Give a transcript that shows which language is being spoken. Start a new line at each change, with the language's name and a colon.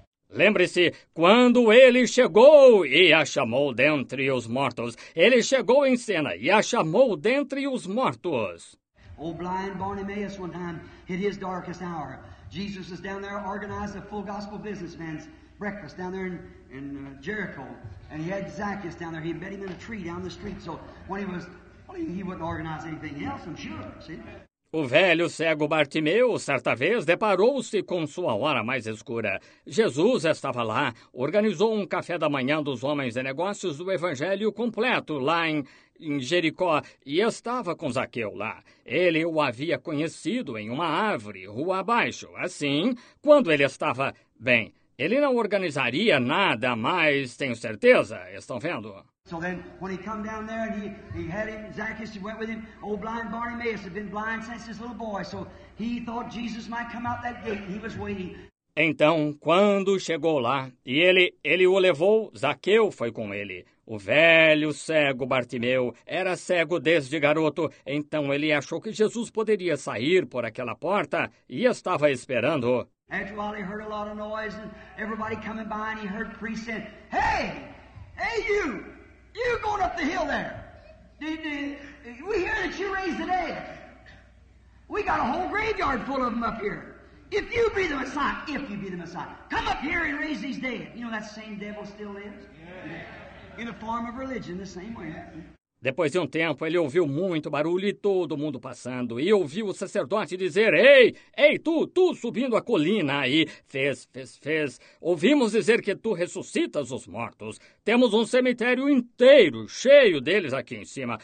Portuguese: Lembre-se, quando ele chegou e a chamou dentre os mortos. Ele chegou em cena e a chamou dentre os mortos.
English: Old blind Bartimaeus one time hit his darkest hour. Jesus is down there organizing a full gospel businessman's breakfast down there in Jericho. And he had Zacchaeus down there. He met him in a tree down the street. So when he was, he wouldn't organize anything else, I'm sure. See?
Portuguese: O velho cego Bartimeu, certa vez, deparou-se com sua hora mais escura. Jesus estava lá, organizou um café da manhã dos homens de negócios do Evangelho completo lá em Jericó e estava com Zaqueu lá. Ele o havia conhecido em uma árvore, rua abaixo. Assim, quando ele estava, bem, ele não organizaria nada mais, tenho certeza, estão vendo?
English: So then, when he come down there, and he had him, Zacchaeus went with him, old blind Bartimaeus had been blind since his little boy, so he thought Jesus might come out that gate, he was waiting.
Portuguese: Então, quando chegou lá, e ele o levou, Zaqueu foi com ele. O velho cego Bartimeu era cego desde garoto, então ele achou que Jesus poderia sair por aquela porta, e estava esperando.
English: After a while, he heard a lot of noise, and everybody coming by, and he heard priests saying, hey, you! You going up the hill there. We hear that you raised the dead. We got a whole graveyard full of them up here. If you be the Messiah, come up here and raise these dead. You know that same devil still lives? Yeah. In a form of religion, the same way.
Portuguese: Depois de tempo, ele ouviu muito barulho e todo mundo passando. E ouviu o sacerdote dizer, ei, tu subindo a colina aí. Fez. Ouvimos dizer que tu ressuscitas os mortos. Temos um cemitério inteiro, cheio deles aqui em cima.